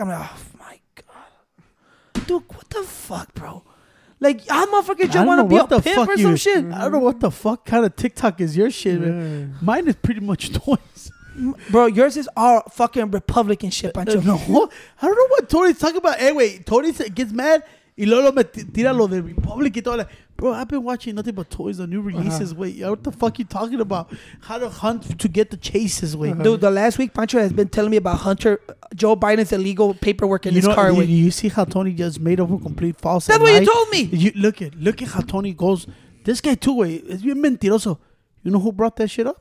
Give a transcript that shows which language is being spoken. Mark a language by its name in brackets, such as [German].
[English] I'm like, oh my God. Dude, what the fuck, bro? Like, I motherfucking just want to be a pimp or some shit. I don't know what the fuck kind of TikTok is your shit. Man. Mine is pretty much noise. Bro, yours is all fucking Republican shit. No, I don't know what Tony's talking about. Anyway, Tony gets mad. [Spanish] Y luego me tira lo de Republic y todo. [English] Like, bro, I've been watching nothing but toys, the new releases. Uh-huh. Wait, what the fuck you talking about? How to hunt to get the chases, wait. Uh-huh. Dude, the last week, Pancho has been telling me about Hunter, Joe Biden's illegal paperwork in you his know, car. You see how Tony just made up a complete false lie? That's what you told me. Look at how Tony goes. This guy too, wait. It's been mentiroso. You know who brought that shit up?